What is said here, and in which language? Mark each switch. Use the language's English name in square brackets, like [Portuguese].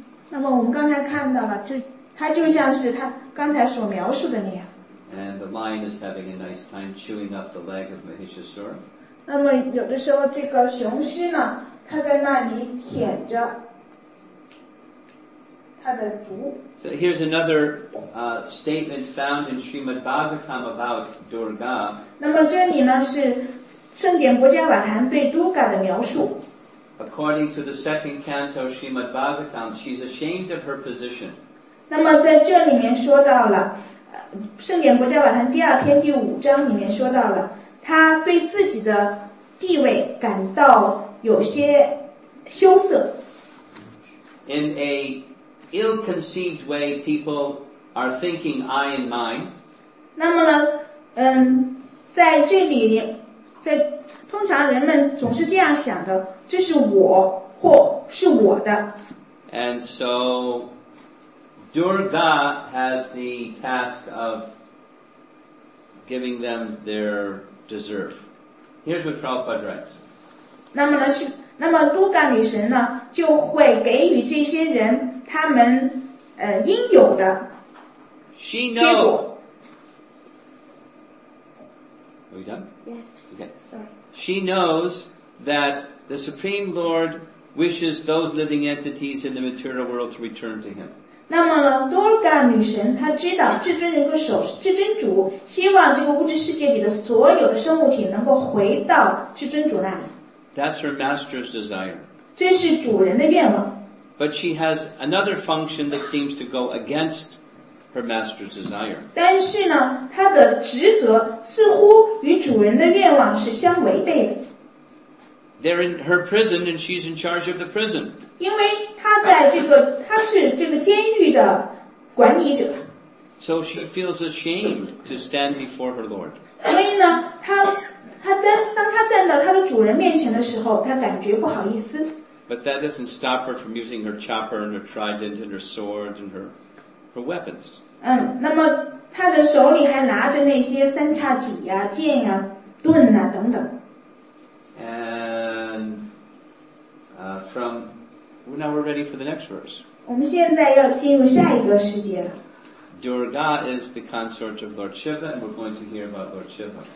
[Chinese] 那么我们刚才看到了，她就像是她刚才所描述的那样。 [English] And the lion is having a nice time chewing up the leg of Mahishasura. [Chinese] 那么有的时候这个雄狮呢，它在那里舔着它的足。 [English] So here's another statement found in Srimad Bhagavatam about Durga. [Chinese] 那么这里呢是圣典国家瓦坛对 Durga 的描述。 [English] According to the second canto of Srimad Bhagavatam, she's ashamed of her position. [Chinese] 那么在这里面说到了圣典国家瓦坛第二篇第五章里面说到了她对自己的地位感到有些羞涩。 [English] In aIll-conceived way people are thinking I and mine. [Chinese] 那么呢，在这里，在通常人们总是这样想的，这是我或是我的。 [English] And so Durga has the task of giving them their dessert. Here's what Prabhupada writes. [Chinese] 那么呢是。那么都嘎女神呢就会给予这些人他们应有的结果。 [English] She know. Are we done? Yes. Okay. Sorry. She knows that the Supreme Lord wishes those living entities in the material world to return to him. [Chinese] 那么呢都嘎女神她知道至尊人格首至尊主希望这个物质世界里的所有的生物体能够回到至尊主那里。 [English] That's her master's desire. [Chinese] 这是主人的愿望。 [English] But she has another function that seems to go against her master's desire. [Chinese] 但是呢，他的职责似乎与主人的愿望是相违背的。 [English] They're in her prison, and she's in charge of the prison. [Chinese] 因为他在这个，他是这个监狱的管理者。 [English] So she feels ashamed to stand before her Lord. [Chinese] 所以呢，当他站到他的主人面前的时候，他感觉不好意思。 [English] But that doesn't stop her from using her chopper and her trident and her sword and her weapons. [Chinese] 那么他的手里还拿着那些三叉戟呀、剑呀、盾呐等等。 [English] And from now we're ready for the next verse. [Chinese] 我们现在要进入下一个世界了。 [English] Durga is the consort of Lord Shiva, and we're going to hear about Lord Shiva.